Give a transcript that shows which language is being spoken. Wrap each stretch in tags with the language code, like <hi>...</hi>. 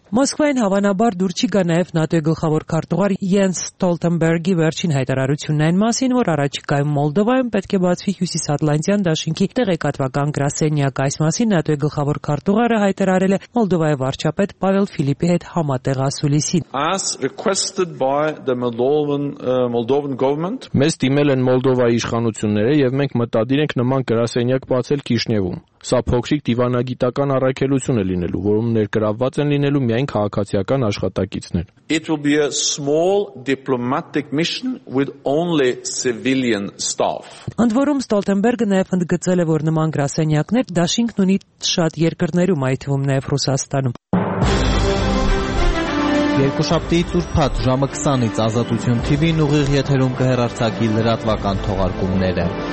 <hy>Մոսկվային հավանաբար դուր չի գա նաև ՆԱՏՕ-ի գլխավոր քարտուղար Յենս Ստոլտենբերգի վերջին հայտարարությունն այն մասին, որ առաջիկայում Մոլդովայում պետք է բացվի հյուսիսատլանտյան դաշինքի տեղեկատվական գրասենյակ։ Այս մասին ՆԱՏՕ-ի գլխավոր քարտուղարը հայտարարել է Մոլդովայի վարչապետ Պավել Ֆիլիպի հետ համատեղ ասուլիսին։</hy> <en>As requested by the Moldovan government,</en> <hy>մեզ դիմել են Մոլդովայի իշխանությունները և մենք մտադիր ենք նման գրասենյակ բացել Կիշնևում։ Սա փոքրիկ դիվանագիտական առաքելություն է լինելու, որում ներգրավված են լինելու միայն քաղաքացիական աշխատակիցներ։</hy> <en>It will be a small diplomatic mission with only civilian staff.</en> <hy>Ընդ որում Ստոլտենբերգը նաև հնդգծել է, որ նման գրասենյակներ Դաշինքն ունի շատ երկրներում, այդ թվում նաև Ռուսաստանում։ երկուշաբթի Սուրբաթ ժամը 20-ից Ազատություն TV-ն ուղիղ եթերում կհեռարձակի լրատվական թողարկումները։</hy>